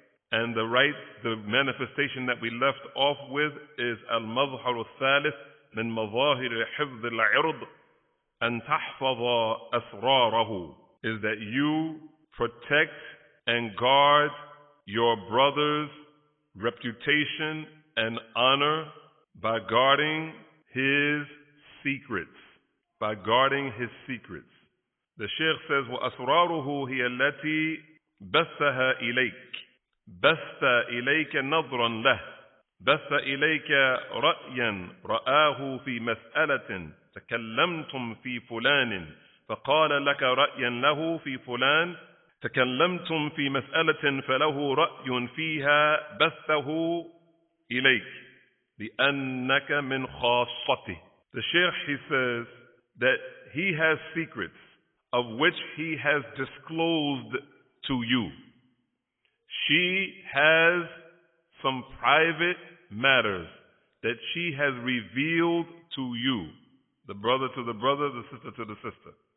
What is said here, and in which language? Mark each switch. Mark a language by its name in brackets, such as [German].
[English] And the right, the manifestation that we left off with is al-Mazhar al-Thalith [Arabic] من مظاهر حفظ العرض أن تحفظ أسراره, [English] is that you protect and guard your brother's reputation and honor by guarding his secrets. By guarding his secrets. The Sheikh says, [Arabic] وأسراره هي التي بثها إليك. بث إليك نظرا له. بث إليك رأيا رآه في مسألة تكلمتم في فلان فقال لك رأيا له في فلان, تكلمتم في مسألة فله رأي فيها بثه إليك لأنك من خاصته. [English] The Sheikh, he says that he has secrets of which he has disclosed to you. She has some private matters that she has revealed to you, the brother to the brother, the sister to the sister.